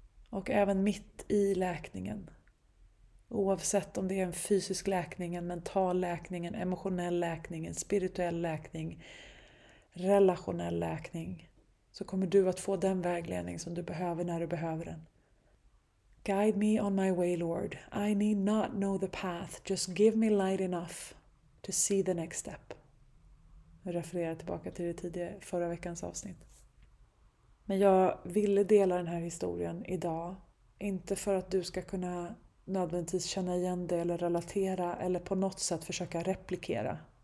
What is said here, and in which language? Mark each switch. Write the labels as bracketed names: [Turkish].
[Swedish] Och även mitt i läkningen. Oavsett om det är en fysisk läkning, en mental läkning, en emotionell läkning, en spirituell läkning, relationell läkning, så kommer du att få den vägledning som du behöver när du behöver den. [English] Guide me on my way, Lord. I need not know the path. Just give me light enough to see the next step. [Swedish] Jag refererar tillbaka till det tidigare förra veckans avsnitt. Men jag ville dela den här historien idag. Inte för att du ska kunna nödvändigtvis känna igen det eller relatera eller på något sätt försöka replikera.